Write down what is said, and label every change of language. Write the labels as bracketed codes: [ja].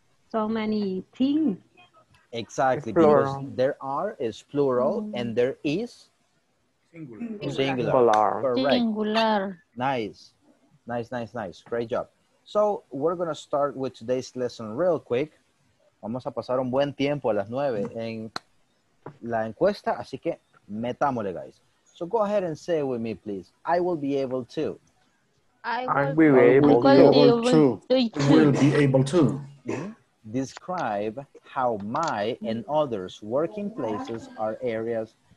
[en] So many things. Exactly. Because there are is plural and there is singular. Correct. Singular. Nice. Great job. So we're going to start with today's lesson real quick. [es] Vamos a pasar un buen tiempo a las 9 en la encuesta. Así que metámosle, guys. [en] So go ahead and say it with me, please. I will be able to. I will be able to. Describe how my and others' working places are areas.